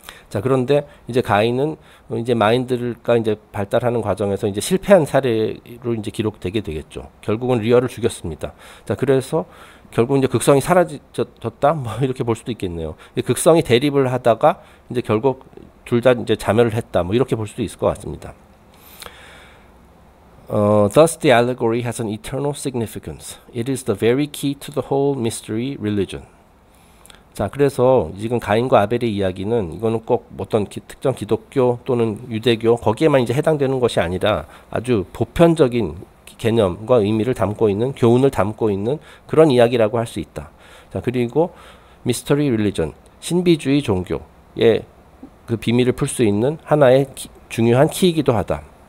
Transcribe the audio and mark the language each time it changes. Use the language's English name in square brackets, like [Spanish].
[Korean] 자, 그런데 이제 가인은 이제 마인드가 이제 발달하는 과정에서 이제 실패한 사례로 이제 기록되게 되겠죠. 결국은 리얼을 죽였습니다. 자, 그래서 결국 이제 극성이 사라졌다? 뭐 이렇게 볼 수도 있겠네요. 극성이 대립을 하다가 이제 결국 둘다 이제 자멸을 했다. 뭐 이렇게 볼 수도 있을 것 같습니다. [English] Thus the allegory has an eternal significance. It is the very key to the whole mystery religion. [Korean] 자, 그래서 지금 가인과 아벨의 이야기는 이거는 꼭 어떤 특정 기독교 또는 유대교 거기에만 이제 해당되는 것이 아니라 아주 보편적인 개념과 의미를 담고 있는 교훈을 담고 있는 그런 이야기라고 할수 있다. 자, 그리고 미스터리 릴리전, 신비주의 종교의 그 비밀을 풀수 있는 하나의 중요한 키이기도 하다.